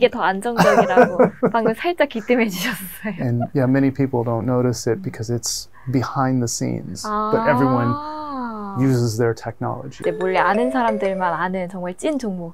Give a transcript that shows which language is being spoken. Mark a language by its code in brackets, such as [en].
[ko] 이게 더 안정적이라고 방금 살짝 기뜸해 주셨어요. [en] And yeah, many people don't notice it because it's behind the scenes. 아. But everyone uses their technology. [ko] 네, 몰래 아는 사람들만 아는 정말 찐 종목.